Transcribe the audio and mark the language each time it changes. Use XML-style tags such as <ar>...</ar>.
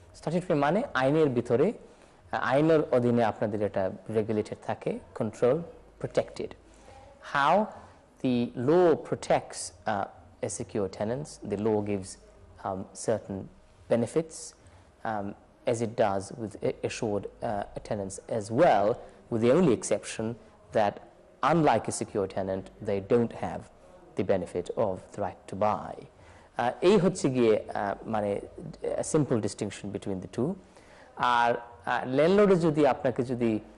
<bn>Statutory মানে আইনের ভিতরে, আইনের অধীনে আপনাদের এটা রেগুলেটেড থাকে, control protected.</bn> <en>How The law protects a secure tenants. The law gives certain benefits as it does with assured tenants as well, with the only exception that unlike a secure tenant, they don't have the benefit of the right to buy.</en> <bn>এই হচ্ছে গিয়ে মানে</bn> <en>a simple distinction between the two.</en> <bn>আর landlord যদি আপনাকে যদি</bn>